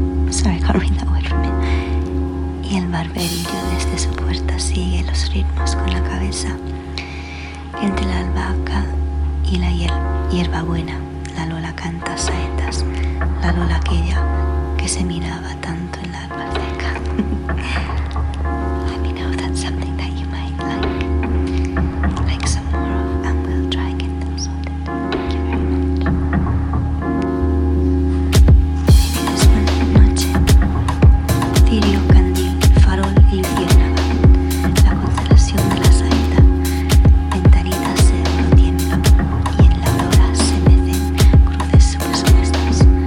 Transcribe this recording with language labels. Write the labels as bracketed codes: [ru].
[en] Sorry, I can't read that word from it. [es] Y el barberillo desde su puerta sigue los ritmos con la cabeza. Entre la albahaca y la hierbabuena. La Lola canta saetas, la Lola aquella que se miraba tanto en la albaceca. [en] Let me know if that's something that you might like some more of, and we'll try getting them sorted. Thank you very much. Maybe this one, [es] noche, cirio, candil, farol y luciérnaga, la constelación de la saeta, ventanita se tiembla y en la aurora se mecen cruces superpuestos.